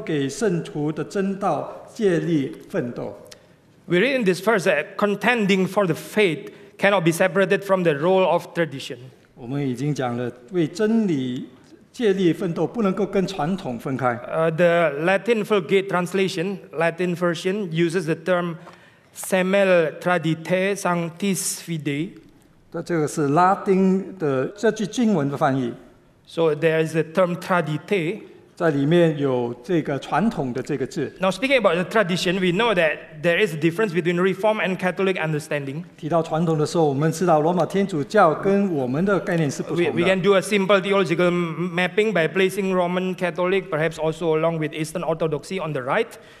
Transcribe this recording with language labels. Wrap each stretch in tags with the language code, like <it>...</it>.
<zh>亲爱的，我一直迫切地想要写信给你们，论到我们同享的救恩，但我觉得有必要现在就写信劝你们，要为从前一次交付给圣徒的真道借力奋斗。</zh> <en>We read in this verse that contending for the faith cannot be separated from the role of tradition.</en> <zh>我们已经讲了，为真理借力奋斗，不能够跟传统分开。</zh> <en>The Latin Vulgate translation, Latin version, uses the term</en> <la>semel tradite sanctis fidei.</la> <zh>这个是拉丁的这句经文的翻译。</zh> <en>So there is the term tradite.</en> <zh>在里面有这个传统的这个字。</zh> <en>Now speaking about the tradition, we know that there is a difference between Reform and Catholic understanding.</en> <zh>提到传统的时候，我们知道罗马天主教跟我们的概念是不同的。</zh> <en>We can do a simple theological mapping by placing Roman Catholic, perhaps also along with Eastern Orthodoxy on the right.</en>